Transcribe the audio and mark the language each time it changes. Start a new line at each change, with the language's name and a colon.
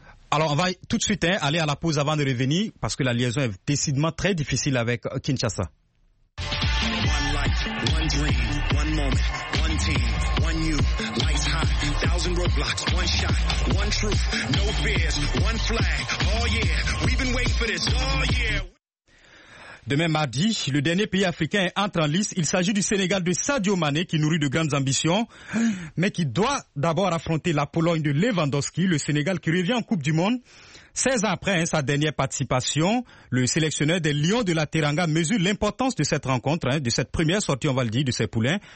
French: Alors, on va tout de suite aller à la pause avant de revenir parce que la liaison est décidément très difficile avec Kinshasa.
English: One dream, one moment, one team, one you. Lights hot, 1,000 roadblocks, one shot, one truth, no fears, one flag. Oh yeah, we've been waiting for this. Oh yeah.
French: Demain mardi, le dernier pays africain entre en lice. Il s'agit du Sénégal de Sadio Mané qui nourrit de grandes ambitions, mais qui doit d'abord affronter la Pologne de Lewandowski, le Sénégal qui revient en Coupe du Monde. 16 ans après sa dernière participation, le sélectionneur des Lions de la Teranga mesure l'importance de cette rencontre, de cette première sortie, on va le dire, de ses poulains.